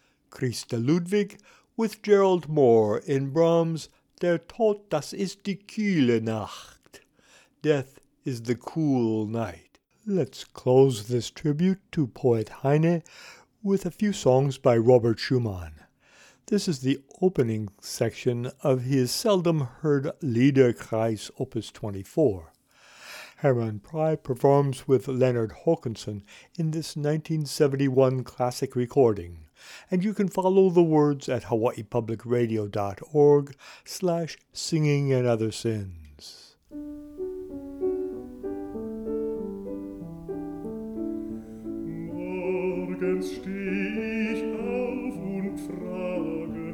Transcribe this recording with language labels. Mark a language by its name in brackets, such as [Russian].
[English] Christa Ludwig with Gerald Moore in Brahms' Der Tod, das ist die kühle Nacht. Death is the cool night. Let's close this tribute to poet Heine with a few songs by Robert Schumann. This is the opening section of his seldom heard Liederkreis, Opus 24. Hermann Pry performs with Leonard Hokanson in this 1971 classic recording. And you can follow the words at hawaiipublicradio.org/singing and other sins. [German] Morgens steh ich auf und frage.